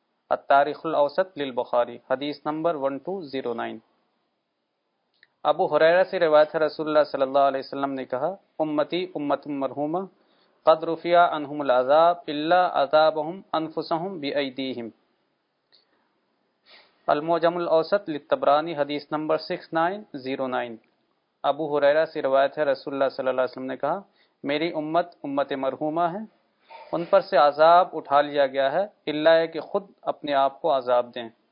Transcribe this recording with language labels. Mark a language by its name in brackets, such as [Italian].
[Urdu] التاریخ الاوسط للبخاری حدیث نمبر 1209. ابو ہریرہ سے روایت ہے, رسول اللہ صلی اللہ علیہ وسلم نے کہا [Arabic] امتی امت مرحومہ قد رفع عنهم العذاب الا عذابهم انفسهم بايديهم. [Urdu] الموجم الاوسط للطبراني حدیث نمبر 6909. ابو ہریرہ سے روایت ہے, رسول اللہ صلی اللہ علیہ وسلم نے کہا میری امت امت مرحومہ ہے, ان پر سے عذاب اٹھا لیا گیا ہے الا یہ کہ خود اپنے آپ کو عذاب دیں.